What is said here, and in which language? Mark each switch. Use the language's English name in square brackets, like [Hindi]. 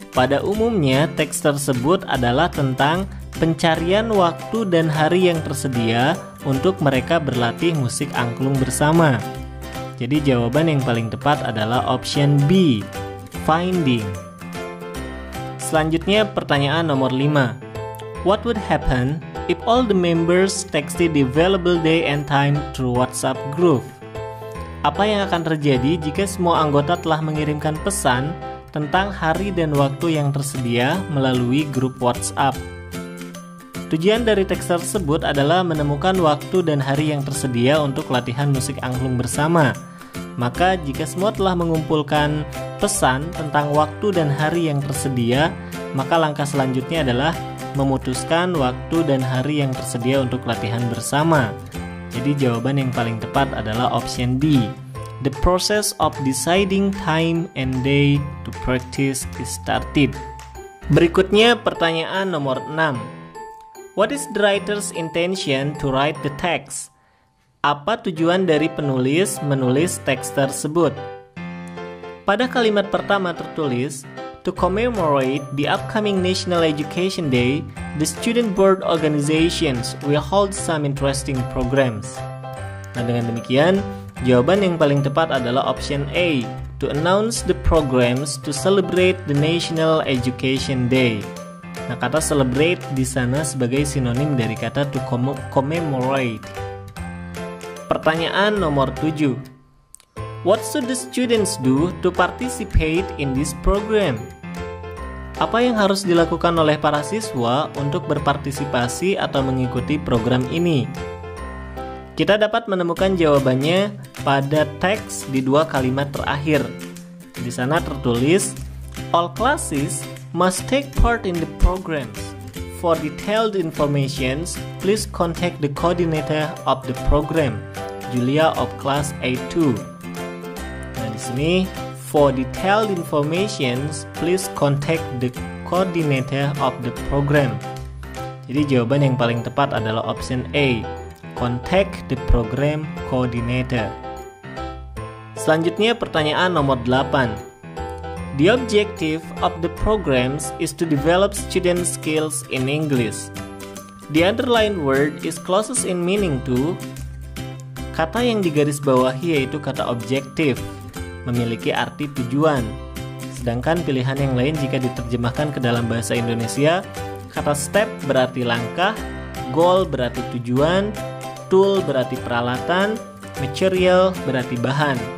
[Indonesian] Pada umumnya, teks tersebut adalah tentang pencarian waktu dan hari yang tersedia untuk mereka berlatih musik angklung bersama. Jadi jawaban yang paling tepat adalah option B, finding. Selanjutnya pertanyaan nomor 5. [English] What would happen if all the members texted the available day and time through WhatsApp group? [Indonesian] Apa yang akan terjadi jika semua anggota telah mengirimkan pesan tentang hari dan waktu yang tersedia melalui grup WhatsApp? Tujuan dari teks tersebut adalah menemukan waktu dan hari yang tersedia untuk latihan musik angklung bersama. Maka jika semua telah mengumpulkan pesan tentang waktu dan hari yang tersedia, maka langkah selanjutnya adalah memutuskan waktu dan hari yang tersedia untuk latihan bersama. Jadi jawaban yang paling tepat adalah option D. [English] The process of deciding time and day to practice is started. [Indonesian] Berikutnya pertanyaan nomor 6. [English] What is the writer's intention to write the text? [Indonesian] Apa tujuan dari penulis menulis teks tersebut? Pada kalimat pertama tertulis, [English] to commemorate the upcoming National Education Day, the student board organizations will hold some interesting programs. [Indonesian] Nah, dengan demikian, jawaban yang paling tepat adalah option A, [English] to announce the programs to celebrate the National Education Day. [Indonesian] Nah, kata celebrate di sana sebagai sinonim dari kata to commemorate. Pertanyaan nomor 7. [English] What should the students do to participate in this program? [Indonesian] Apa yang harus dilakukan oleh para siswa untuk berpartisipasi atau mengikuti program ini? Kita dapat menemukan jawabannya pada teks di dua kalimat terakhir. Di sana tertulis, [English] all classes must take part in the programs. For detailed information, please contact the coordinator of the program, Julia of class A2. Sini, for detailed information, please contact the coordinator of the program. [Indonesian] Jadi jawaban yang paling tepat adalah option A, [English] contact the program coordinator. [Indonesian] Selanjutnya pertanyaan nomor 8. [English] The objective of the programs is to develop student skills in English. The underlined word is closest in meaning to. [Indonesian] Kata yang digarisbawahi yaitu kata objective memiliki arti tujuan. Sedangkan pilihan yang lain jika diterjemahkan ke dalam bahasa Indonesia, kata step berarti langkah, goal berarti tujuan, tool berarti peralatan, material berarti bahan.